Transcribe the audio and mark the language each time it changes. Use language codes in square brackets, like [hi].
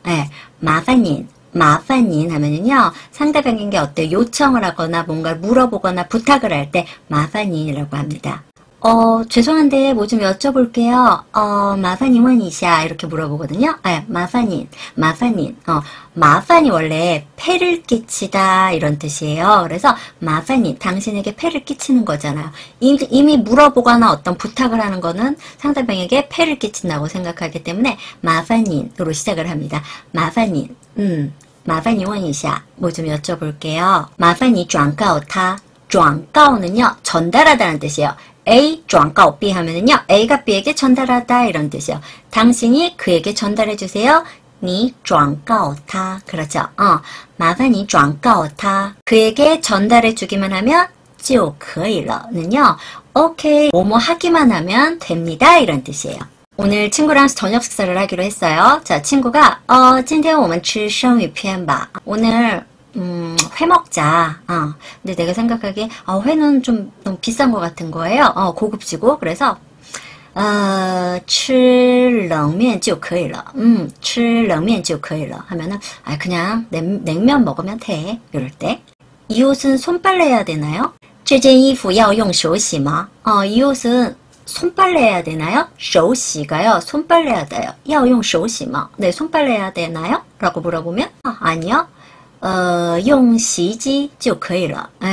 [zh] 麻烦您转告他就可以了。 [ko] 麻烦您 하면은요, 상대방에게 어때, 요청을 하거나 뭔가 물어보거나 부탁을 할 때 麻烦您이라고 합니다. 죄송한데 뭐 좀 여쭤볼게요. [zh] 麻烦您问一下 [ko] 이렇게 물어보거든요. 麻烦您 麻烦이 원래 폐를 끼치다 이런 뜻이에요. 그래서 麻烦您 당신에게 폐를 끼치는 거잖아요. 이미 물어보거나 어떤 부탁을 하는 거는 상대방에게 폐를 끼친다고 생각하기 때문에 麻烦您으로 시작을 합니다. [zh] 麻烦您 麻烦您问一下 [ko] 뭐 좀 여쭤볼게요. [zh] 麻烦您转告他. [ko] 转告는요, 전달하다는 뜻이에요. [zh] A 转告 B [ko] 하면은요, A가 B에게 전달하다 이런 뜻이요. 당신이 그에게 전달해 주세요. [zh] 你转告他. [ko] 그렇죠. [zh] 麻烦你转告他. [ko] 그에게 전달해 주기만 하면 [zh] 就可以了 [ko] 는요, 오케이, 뭐뭐 하기만 하면 됩니다 이런 뜻이에요. 오늘 친구랑 저녁 식사를 하기로 했어요. 자, 친구가 [zh] 今天我们吃生鱼片吧. [ko] 오늘 회 먹자. 근데 내가 생각하기에 회는 좀 너무 비싼 것 같은 거예요. 고급지고. 그래서 [zh] 吃冷面就可以了 [ko] 하면은 그냥 냉면 먹으면 돼 이럴 때. 이 옷은 손빨래 해야 되나요? [zh] 这件衣服要用手洗吗? [ko] 이 옷은 손빨래 해야 되나요? 手洗가요, 손빨래 해야 돼요. [zh] 要用手洗吗? [ko] 네, 손빨래 해야 되나요? 라고 물어보면 아니요, [zh] 用洗衣机就可以了.